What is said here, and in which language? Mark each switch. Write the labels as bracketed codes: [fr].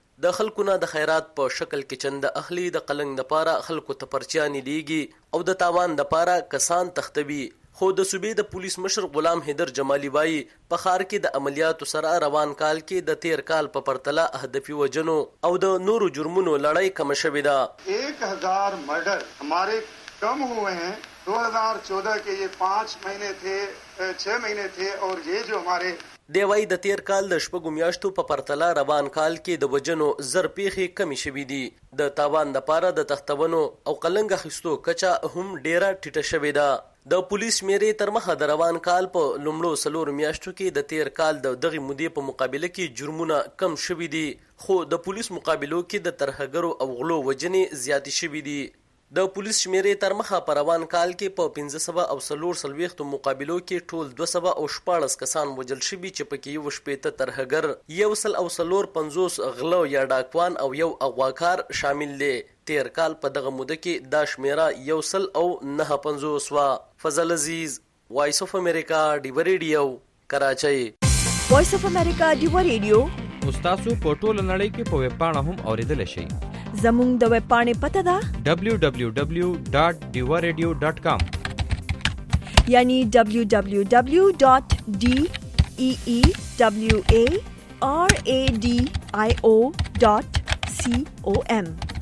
[ps] د خلکو نه د خیرات په شکل کې چند اخلي، د قلنګ د پاره خلکو ته پرچانی لیږي، او د تاوان د پاره کسان تختبي. خو د صوبې د پولیس مشر غلام حیدر جمالی وایي په ښار کې د عملیاتو سره روان کال کې د تیر کال په پرتله اهدافي وجنو او د نورو جرمونو لړۍ کم شوې ده. [ur] 1000 مرډر هماره کم ہوئے ہیں 2014 کے یہ 5 مہینے تھے 6 مہینے تھے اور یہ جو ہمارے [ps] دیوائی د تیر کال د شپږو میاشتو په پرتلا روان کال کې د وجنو زر پیخي کمې شوې دي. د تاوان د پاره د تختونو او قلنګ خستو کچا هم ډیره ټیټه شوې ده. د پولیس میرې تر مخه د روان کال په لومړو سلور میاشتو کې د تیر کال د دغې مودې په مقابله کې جرمونه کم شوې دي، خو د پولیس مقابلو کې د ترهګرو او غلو وجنې زیاتې شوې دي. د پولیس شمیرې تر مخه په روان کال کې په 1500 مقابلو کې ټول 214 کسان وژل شوي، چې پکې 16 ترهګر، 145 غله یا ډاکوان او 1 اغواکار شامل دي. تیر کال په دغه موده کې دا شمیره 159 وه. فضل عزیز، وایس آف امریکا، ډیوه ریډیو، کراچۍ. وایس آف امریکا ډیوه ریډیو مستاسو په ټوله نړۍ کې په ویبپاڼه هم اوریدل شي. زموږ د ویب پاڼې پته ده www.divaradio.com یعنی www.deewaradio.com